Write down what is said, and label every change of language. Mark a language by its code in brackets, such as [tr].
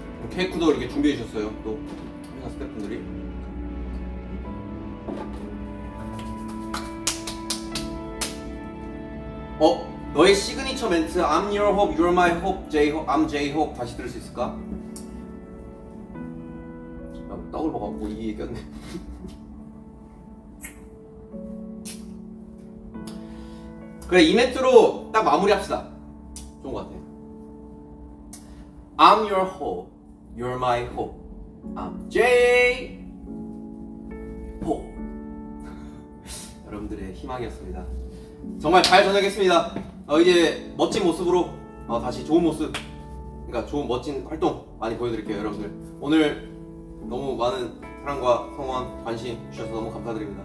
[ko] 케이크도 이렇게 준비해 주셨어요. 또 회사 스태프분들이 너의 시그니처 멘트 [en] I'm your hope, you're my hope, J-hope, I'm J-hope [ko] 다시 들을 수 있을까? 야, 떡을 먹어갖고 이 얘기였네. 그래, 이 멘트로 딱 마무리합시다. 좋은 것 같아. [en] I'm your hope, you're my hope, I'm J-hope. [ko] 여러분들의 희망이었습니다. 정말 잘 전역했습니다. 이제 멋진 모습으로 다시 좋은 모습, 그러니까 좋은 멋진 활동 많이 보여드릴게요. 여러분들 오늘 너무 많은 사랑과 성원, 관심 주셔서 너무 감사드립니다.